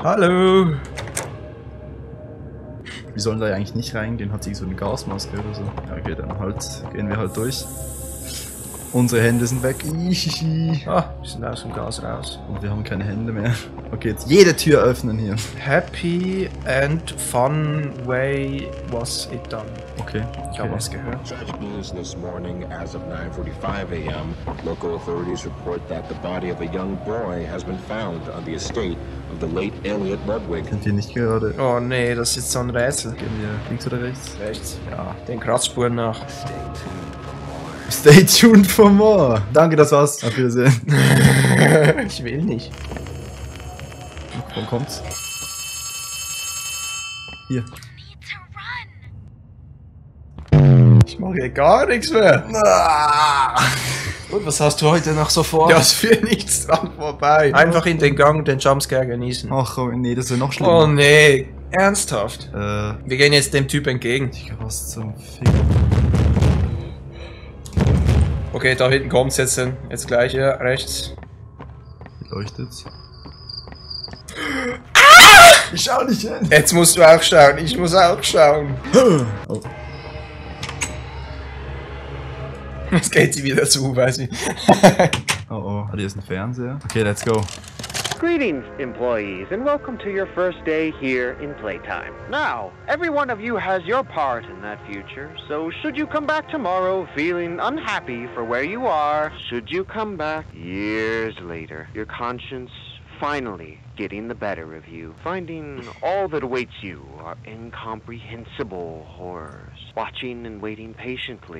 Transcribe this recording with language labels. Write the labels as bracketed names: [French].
[German] Hallo. Wir sollen da ja eigentlich nicht reingehen. Hat sich so eine Gasmaske oder so. Ja, okay, dann halt. Gehen wir halt durch. Unsere Hände sind weg. Ihihihi. Ah, wir sind aus dem Gas raus. Und wir haben keine Hände mehr. Okay, jetzt jede Tür öffnen hier. [English] Happy and fun way was it done. Okay. [German] Ich habe was gehört. [English] Such news this morning as of 9:45 a.m. Local authorities report that the body of a young boy has been found on the estate of the late Elliot Ludwig. [German] Sind wir nicht gerade? Oh nee, das ist so ein Rätsel. Gehen wir links oder rechts? Rechts. Ja, den Kratzspuren nach. [English] Stay tuned for more. [German] Danke, das war's. Auf Wiedersehen. Ich will nicht. Wann kommt's? Hier. Ich mache hier gar nichts mehr. Und was hast du heute noch so vor? Das führt nichts dran vorbei. Einfach in den Gang den Jumpscare genießen. Ach nee, das wäre noch schlimmer. Oh nee, ernsthaft? Wir gehen jetzt dem Typ entgegen. Ich glaube, was zum Ficken. Okay, da hinten kommt's jetzt hin. Jetzt gleich hier, rechts. Wie leuchtet's? Ah! Ich schau nicht hin! Jetzt musst du auch schauen, ich muss auch schauen. Oh. Jetzt geht sie wieder zu, weiß ich. Oh oh, hat hier ist ein Fernseher? [English] Okay, let's go. Greetings, employees, and welcome to your first day here in Playtime. Now, every one of you has your part in that future, so should you come back tomorrow feeling unhappy for where you are, should you come back years later, your conscience finally getting the better of you, finding all that awaits you are incomprehensible horrors, watching and waiting patiently